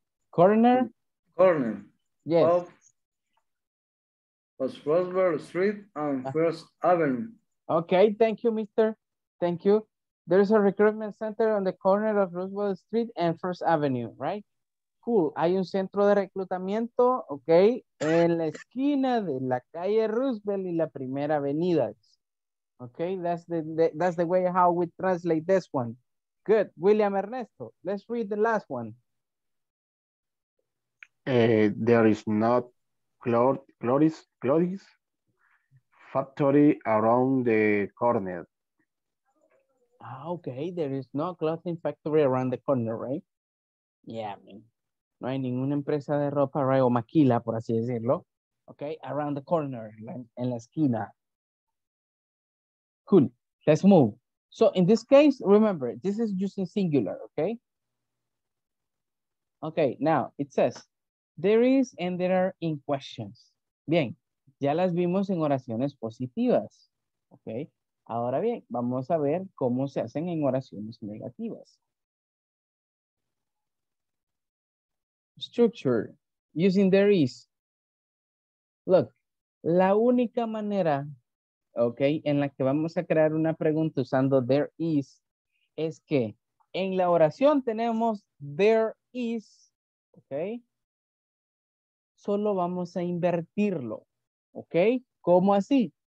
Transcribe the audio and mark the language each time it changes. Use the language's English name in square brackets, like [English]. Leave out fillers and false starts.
[English] corner. Yes. Was Roosevelt Street and First Avenue. Okay, thank you, mister. Thank you. There is a recruitment center on the corner of Roosevelt Street and First Avenue, right? Cool. [Spanish] Hay un centro de reclutamiento, okay, en la esquina de la calle Roosevelt y la primera avenida. [English] Okay, that's the way how we translate this one. Good. William Ernesto, let's read the last one. There is not Chloris factory around the corner. Okay, there is no clothing factory around the corner, right? Yeah, I mean, [Spanish] no hay ninguna empresa de ropa, right, o maquila, por así decirlo. [English] Okay, around the corner, [Spanish] en la esquina. [English] Cool, let's move. So in this case, remember, this is using singular, okay? Okay, now it says, there is and there are in questions. [Spanish] Bien, ya las vimos en oraciones positivas, okay? Ahora bien, vamos a ver cómo se hacen en oraciones negativas. Structure, using there is. Look, la única manera, okay, en la que vamos a crear una pregunta usando there is que en la oración tenemos there is, okay, solo vamos a invertirlo, okay, ¿cómo así?